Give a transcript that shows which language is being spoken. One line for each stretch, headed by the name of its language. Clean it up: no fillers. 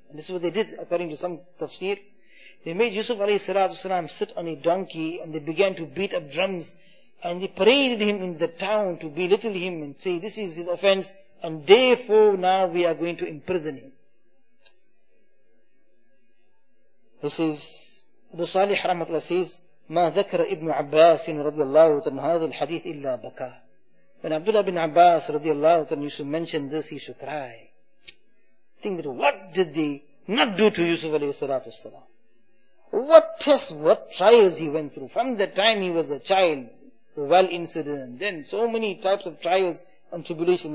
English: And this is what they did according to some tafsir. They made Yusuf alayhi salatu wasalam sit on a donkey and they began to beat up drums and they paraded him in the town to belittle him and say this is his offense and therefore now we are going to imprison him. This is Abu Salih rahmatullah says,
Arabic: ما ذكر ابن عباس رضي الله عنه هذا الحديث إلا بكى.
English: When Abdullah ibn Abbas radiallahu anhu used to mention this, he used to cry. Think that what did they not do to Yusuf alayhi salatu wasalam? What tests, what trials he went through from the time he was a child, the well incident, then so many types of trials and tribulation.